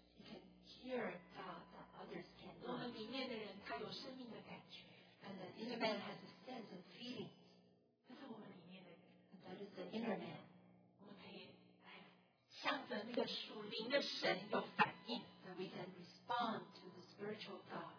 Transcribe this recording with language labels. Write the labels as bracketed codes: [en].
[en] He can hear God that others cannot. [zh] 我们里面的人他有生命的感觉。 [en] And the inner man has a sense of feeling. [zh] 这是我们里面的人。 [en] And that is the inner man. [zh] 向着那个属灵的神有反应 [en] ，that we can respond to the spiritual God.